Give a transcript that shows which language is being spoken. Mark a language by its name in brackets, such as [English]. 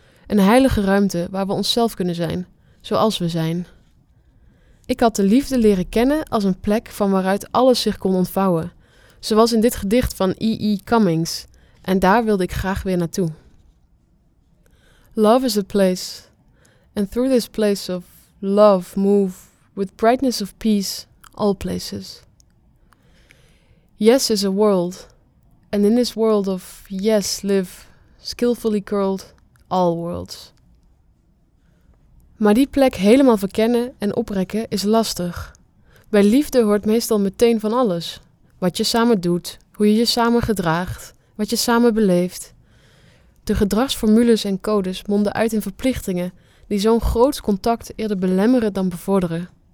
[Dutch] Een heilige ruimte waar we onszelf kunnen zijn, zoals we zijn. Ik had de liefde leren kennen als een plek van waaruit alles zich kon ontvouwen. Zoals in dit gedicht van E.E. Cummings. En daar wilde ik graag weer naartoe. [English] Love is a place. And through this place of love move with brightness of peace all places. Yes is a world, and in this world of yes live skillfully curled all worlds. [Dutch] Maar die plek helemaal verkennen en oprekken is lastig. Bij liefde hoort meestal meteen van alles. Wat je samen doet, hoe je je samen gedraagt, wat je samen beleeft. De gedragsformules en codes monden uit in verplichtingen die zo'n groot contact eerder belemmeren dan bevorderen.